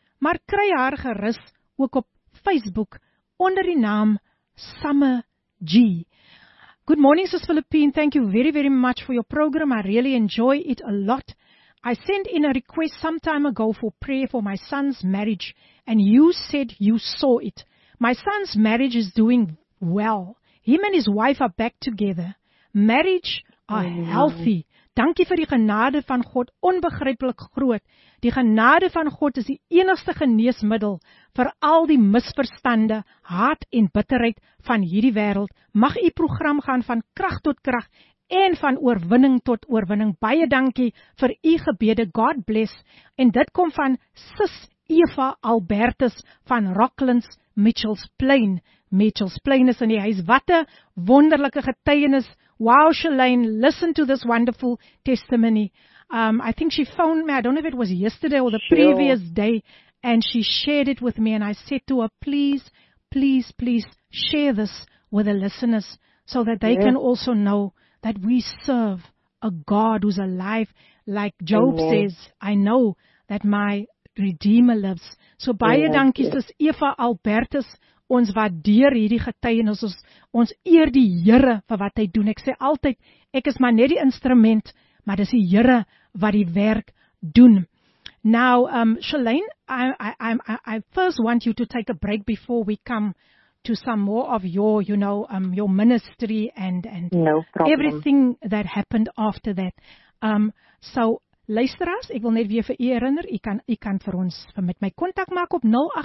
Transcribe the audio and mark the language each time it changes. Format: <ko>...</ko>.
<af>Maar kry haar gerus ook op Facebook onder die naam Samaji.</af> <en>Good morning, Sis Philippine. Thank you very, very much for your program. I really enjoy it a lot. I sent in a request some time ago for prayer for my son's marriage, and you said you saw it. My son's marriage is doing well. Him and his wife are back together. Marriage are healthy.</en> <af>Dankie vir die genade van God, onbegryplik groot. Die genade van God is die enigste geneesmiddel vir al die misverstande, haat en bitterheid van hierdie wêreld. Mag u program gaan van krag tot krag en van oorwinning tot oorwinning. Baie dankie vir u gebede.</af> <en>God bless.</en> <af>En dit kom van Sis Eva Albertus van Rocklands, Mitchells Plain. Mitchells Plain is in die huis. Wat 'n wonderlike getuienis.</af> <en>Wow, Shalane, listen to this wonderful testimony. I think she phoned me, I don't know if it was yesterday or the previous day, and she shared it with me, and I said to her, please, please, please share this with the listeners so that they can also know that we serve a God who's alive. Like Job says, I know that my Redeemer lives.</en> <af>So, baie dankie, sis Eva Albertus. Ons waardeer hierdie getuienis, ons eer die Here vir wat hy doen. Ek sê altyd, ek is maar net die instrument, maar dis die Here wat die werk doen.</af> <en>Now, Shalane, I first want you to take a break before we come to some more of your, you know, your ministry and no problem. Everything that happened after that.</en> <af>So luisteraars, ek wil net weer vir u herinner, u kan vir ons met my kontak maak op 0817291657.</af>